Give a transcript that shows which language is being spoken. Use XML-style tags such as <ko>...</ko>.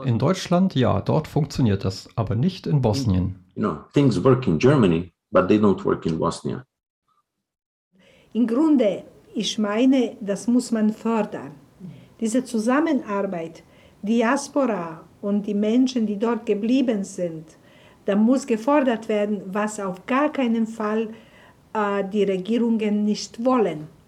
<de>In Deutschland, ja, dort funktioniert das, aber nicht in Bosnien.</de> <en>You know, things work in Germany, but they don't work in Bosnia.</en> <de>Im Grunde, ich meine, das muss man fördern. Diese Zusammenarbeit, Diaspora und die Menschen, die dort geblieben sind, da muss gefordert werden, was auf gar keinen Fall die Regierungen nicht wollen.</de>